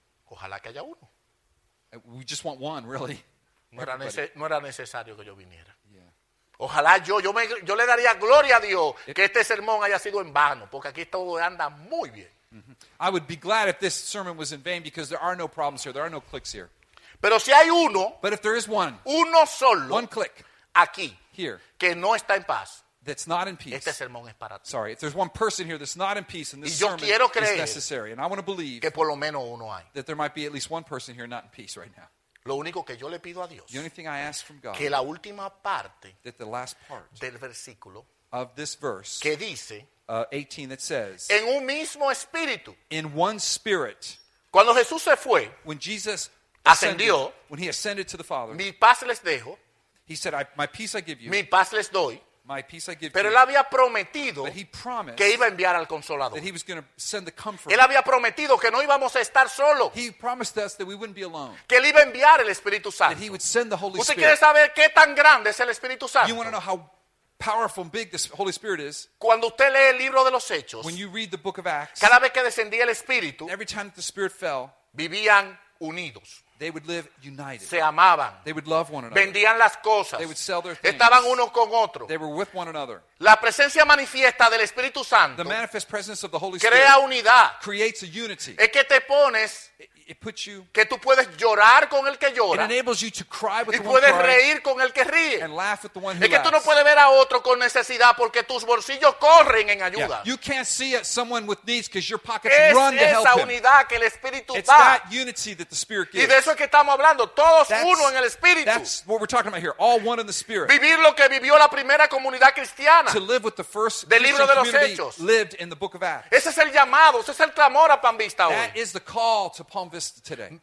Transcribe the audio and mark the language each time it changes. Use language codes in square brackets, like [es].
[es] Ojalá que haya uno. [en] We just want one, really. [es] No era necesario que yo viniera. [en] Yeah. [es] Ojalá yo le daría gloria a Dios que este sermón haya sido en vano, porque aquí todo anda muy bien. Mm-hmm. [en] I would be glad if this sermon was in vain because there are no problems here. There are no clicks here. [es] Pero si hay uno, [en] but if there is one, [es] uno solo, [en] one click, [es] aquí, [en] here, [es] que no está en paz, [en] that's not in peace. [es] Este sermón es para ti. [en] Sorry, if there's one person here that's not in peace and this [es] y yo [en] sermon [es] quiero creer [en] is necessary, and I want to believe [es] que por lo menos uno hay. [en] That there might be at least one person here not in peace right now. [es] Lo único que yo le pido a Dios, [en] the only thing I ask from God, [es] que la última parte [en] that the last part [es] del versículo [en] of this verse [es] que dice, [en] 18 that says [es] en un mismo espíritu, [en] in one spirit [es] cuando Jesús se fue, [en] when Jesus [es] ascendió, [en] when he ascended to the Father [es] mi paz les dejo, [en] he said my peace I give you [es] mi paz les doy, [en] my peace I give [es] pero [en] you [es] él había prometido [en] but he promised [es] que iba a enviar al Consolador. [en] That he was going to send the comforter. [es] Él había prometido que no íbamos a estar solo. [en] He promised us that we wouldn't be alone, [es] que él iba a enviar el Espíritu Santo. [en] That he would send the Holy [es] usted [en] Spirit. [es] Quiere saber qué tan grande es el Espíritu Santo. [en] You want to know how powerful and big the Holy Spirit is. [es] Cuando usted lee el libro de los Hechos, [en] when you read the book of Acts, [es] cada vez que descendía el Espíritu, [en] every time that the Spirit fell, [es] vivían unidos. [en] They would live united. [es] Se amaban. [en] They would love one another. [es] Vendían las cosas. [en] They would sell their things. [es] Estaban uno con otro. [en] They were with one another. [es] La presencia manifiesta del Espíritu Santo. [en] The manifest presence of the Holy Spirit. [es] Crea unidad. [en] Creates a unity. [es] Es que te pones. [en] It puts you. [es] Que tú puedes llorar con el que llora. [en] It enables you to cry with the one who cries. [es] Y puedes reír con el que ríe. [en] And laugh with the one who [es] es que [en] laughs. [es] Tú no puedes ver a otro con necesidad porque tus bolsillos corren en ayuda. [en] Yeah. You can't see at someone with needs because your pockets [es] es [en] run to help him. [es] Es esa unidad que el Espíritu [en] It's [es] da. [en] It's that unity that the Spirit gives. [es] Y de eso es que estamos hablando. Todos that's, uno en el Espíritu. [en] That's what we're talking about here. All one in the Spirit. [es] Vivir lo que vivió la primera comunidad cristiana. [en] To live with the first [es] del libro de los Hechos. [en] Lived in the book of Acts. [es] Ese es el llamado. Ese es el clamor a Palm Vista hoy. [en] That is the call to Palm Vista today.